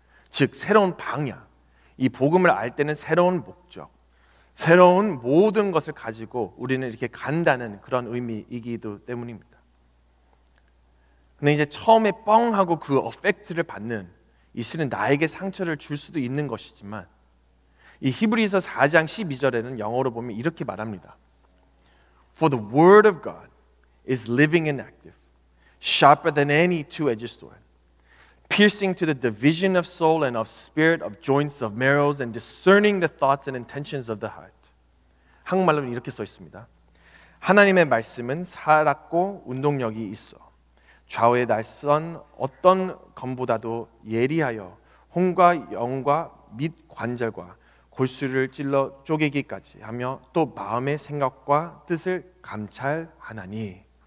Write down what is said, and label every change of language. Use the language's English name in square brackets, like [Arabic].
[Korean] 즉 새로운 방향, 이 복음을 알 때는 새로운 목적, 새로운 모든 것을 가지고 우리는 이렇게 간다는 그런 의미이기도 때문입니다. 근데 이제 처음에 뻥 하고 그 어펙트를 받는 이슬은 나에게 상처를 줄 수도 있는 것이지만 이 히브리서 4장 12절에는 영어로 보면 이렇게 말합니다. [English] For the word of God is living and active, sharper than any two-edged sword, piercing to the division of soul and of spirit, of joints, of marrows, and discerning the thoughts and intentions of the heart. [Korean] 한국말로는 이렇게 써 있습니다. 하나님의 말씀은 살았고 운동력이 있어 좌우의 날선 어떤 검보다도 예리하여 혼과 영과 및 관절과 골수를 찔러 쪼개기까지 하며 또 마음의 생각과 뜻을 감찰하나니.